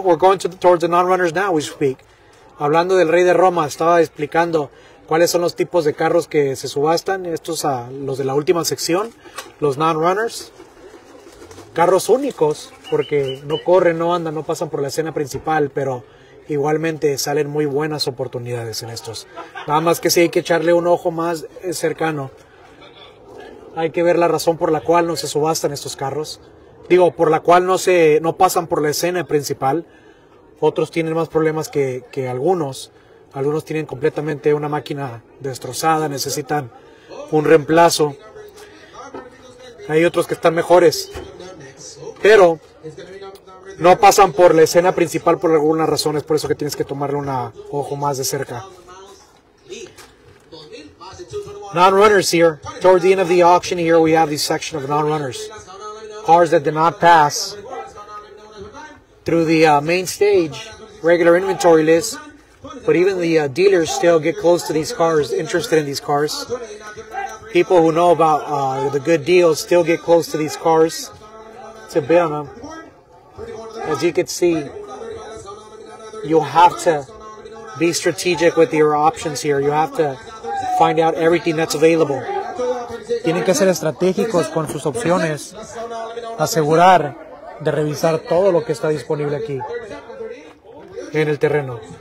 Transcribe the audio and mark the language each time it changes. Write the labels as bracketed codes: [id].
[en] We're going towards the non-runners now, we speak. [es] Hablando del Rey de Roma, estaba explicando cuáles son los tipos de carros que se subastan. Estos a los de la última sección, los non-runners. Carros únicos, porque no corren, no andan, no pasan por la escena principal, pero igualmente salen muy buenas oportunidades en estos. Nada más que sí hay que echarle un ojo más cercano. Hay que ver la razón por la cual no se subastan estos carros. Digo, por la cual no pasan por la escena principal. Otros tienen más problemas que algunos. Algunos tienen completamente una máquina destrozada, necesitan un reemplazo. Hay otros que están mejores, pero no pasan por la escena principal por alguna razón. Es por eso que tienes que tomarle un ojo más de cerca. [en] Non-runners here. Towards the end of the auction here, we have this section of non-runners. Cars that did not pass through the main stage, regular inventory list. But even the dealers still get close to these cars, interested in these cars. People who know about the good deals still get close to these cars to bid on them. As you can see, you have to be strategic with your options here. You have to find out everything that's available. [es] Tienen que ser estratégicos con sus opciones. Asegurar de revisar todo lo que está disponible aquí en el terreno.